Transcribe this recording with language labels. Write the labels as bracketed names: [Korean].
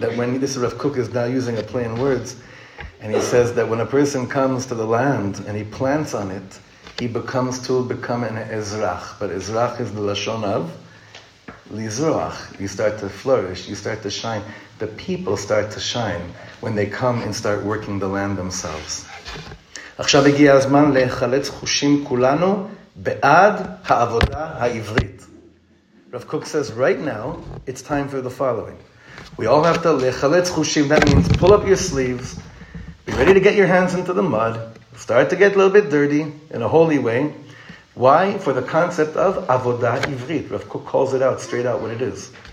[English] That when, this is Rav Kook is now using a play in words, and he says that when a person comes to the land and he plants on it, he becomes to become an ezrach. But ezrach is the lashon of Lizroach, you start to flourish, you start to shine. The people start to shine when they come and start working the land themselves. [Hebrew] עכשיו הגיע הזמן להחלץ חושים כולנו בעד העבודה העברית. [English] Rav Kook says, right now, it's time for the following. We all have to [Hebrew] להחלץ חושים, [English] that means pull up your sleeves, be ready to get your hands into the mud, start to get a little bit dirty in a holy way. Why? For the concept of Avoda Ivrit. Rav Kook calls it out, straight out, what it is.